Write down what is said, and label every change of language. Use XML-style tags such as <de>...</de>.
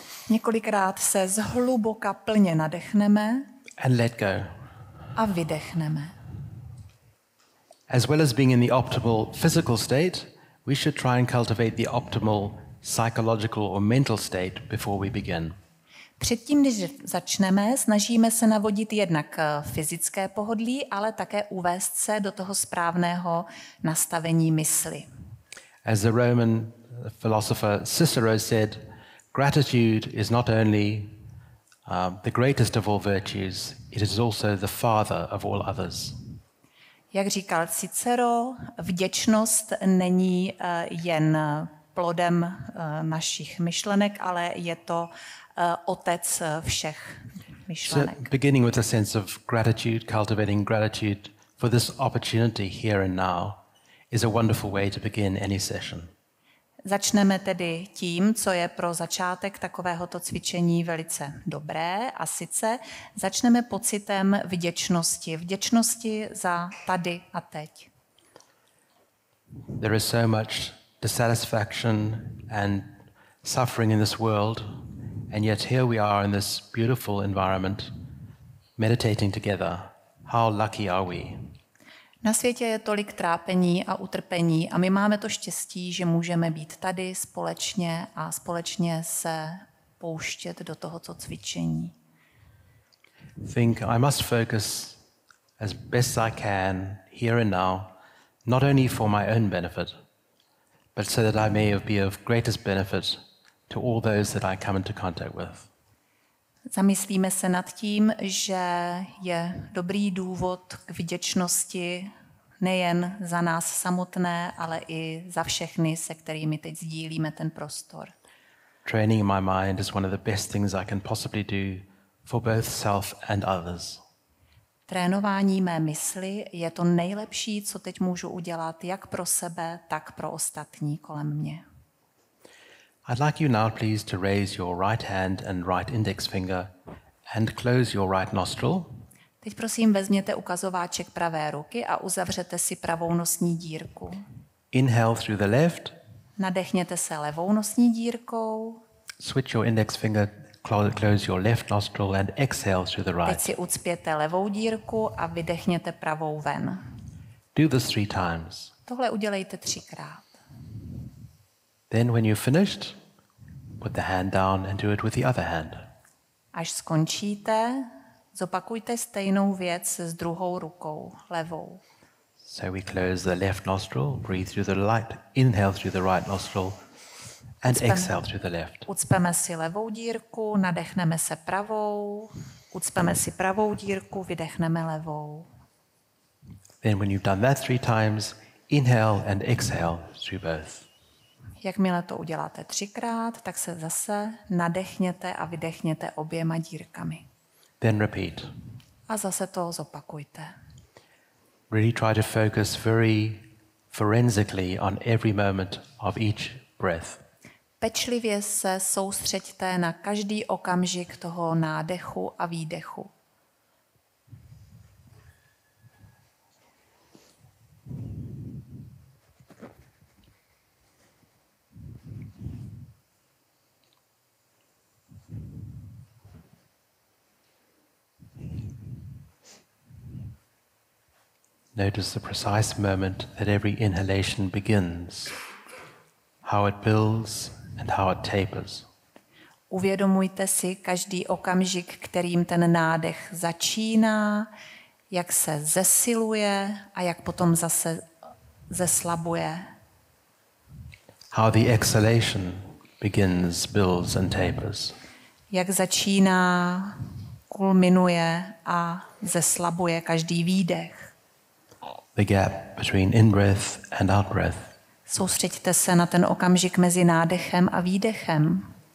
<cs>Několikrát se zhluboka plně nadechneme.</cs> <en>And let go.</en> <cs>A vydechneme.</cs> <en>As well as being in the optimal physical state, we should try and cultivate the optimal psychological or mental state before we begin.</en> <cs>Předtím, když začneme, snažíme se navodit jednak fyzické pohodlí, ale také uvést se do toho správného nastavení mysli.</cs> <en>As the Roman philosopher Cicero said, gratitude is not only the greatest of all virtues, it is also the father of all others.</en> <cs>Jak říkal Cicero, vděčnost není jen plodem našich myšlenek, ale je to otec všech myšlenek.</cs> <en>So beginning with a sense of gratitude, cultivating gratitude for this opportunity here and now is a wonderful way to begin any session.</en> <cs>Začneme tedy tím, co je pro začátek takovéhoto cvičení velice dobré, a sice začneme pocitem vděčnosti. Vděčnosti za tady a teď.</cs> <en>There is so much dissatisfaction and suffering in this world, and yet here we are in this beautiful environment meditating together. How lucky are we?</en> <cs>Na světě je tolik trápení a utrpení a my máme to štěstí, že můžeme být tady společně a společně se pouštět do tohoto cvičení.</cs> <en>Think I must focus as best I can here and now, not only for my own benefit, but so that I may be of greatest benefit to all those that I come into contact with.</en> <cs>Zamyslíme se nad tím, že je dobrý důvod k vděčnosti nejen za nás samotné, ale i za všechny, se kterými teď sdílíme ten prostor.</cs> <en>Training my mind is one of the best things I can possibly do for both self and others.</en> <cs>Trénování mé mysli je to nejlepší, co teď můžu udělat jak pro sebe, tak pro ostatní kolem mě.</cs> <en>I'd like you now please to raise your right hand and right index finger and close your right nostril.</en> <cs>Teď prosím vezměte ukazováček pravé ruky a uzavřete si pravou nosní dírku.</cs> <en>Inhale through the left.</en> <cs>Nadechněte se levou nosní dírkou.</cs> <en>Switch your index finger, close your left nostril and exhale through the right.</en> <cs>Teď si ucpěte levou dírku a vydechněte pravou ven.</cs> <en>Do this 3 times.</en> <cs>Tohle udělejte 3x.</cs> <en>Then when you're finished, put the hand down and do it with the other hand.</en> <cs>Až skončíte, zopakujte stejnou věc s druhou rukou, levou.</cs> <en>So we close the left nostril, breathe through the right, inhale through the right nostril and exhale through the left.</en> <cs>Ucpeme si levou dírku, nadechneme se pravou, ucpeme si pravou dírku, vydechneme levou.</cs> <en>Then when you've done that 3 times, inhale and exhale through both.</en> <cs>Jakmile to uděláte 3x, tak se zase nadechněte a vydechněte oběma dírkami.</cs> <en>Then repeat.</en> <cs>A zase to zopakujte.</cs> <en>Really try to focus very forensically on every moment of each breath.</en> <cs>Pečlivě se soustřeďte na každý okamžik toho nádechu a výdechu.</cs> <en>Notice the precise moment that every inhalation begins, how it builds and how it tapers.</en> <cs>Uvědomujte si každý okamžik, kterým ten nádech začíná, jak se zesiluje a jak potom zase zeslabuje.</cs> <en>How the exhalation begins, builds and tapers.</en> <cs>Jak začíná, kulminuje a zeslabuje každý výdech.</cs> <en>the gap between in-breath and out-breath.</en> <cs>Soustřeďte se na ten okamžik mezi nádechem a výdechem.</cs>